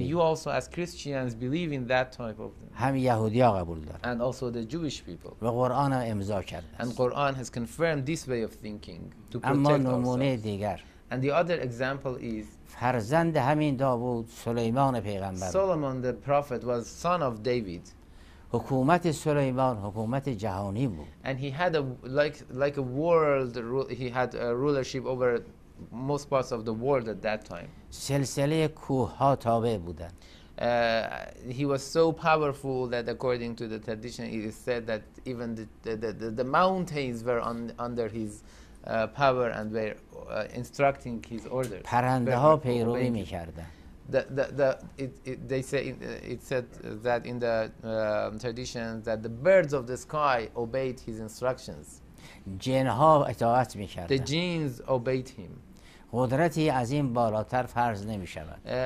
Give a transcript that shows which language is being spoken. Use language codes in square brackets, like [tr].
[en] And you also as Christians believe in that type of them. [fa] هم یهودی‌ها قبول دارن. [en] And also the Jewish people. [fa] و قرآن امضا کرده. [en] And Quran has confirmed this way of thinking to protect [fa] اما نمونه [en] ourselves. [fa] دیگر. [en] And the other example is [fa] فرزند همین داوود سلیمان پیغمبر. [en] Solomon the prophet was son of David. [fa] حکومت سلیمان حکومت جهانی بود. [en] And he had a like a world rule. He had a rulership over most parts of the world at that time. [fa] سلسله کوه‌ها تابع بودند. [en] He was so powerful that according to the tradition, it is said that even the mountains were under his power and were instructing his orders. [fa] پرنده‌ها پیروی می‌کردند. [en] They said that in the tradition that the birds of the sky obeyed his instructions. [fa] جنها اطاعت میکردند. [en] The jinns obeyed him. [fa] قدرتی از این بالاتر فرض نمیشود.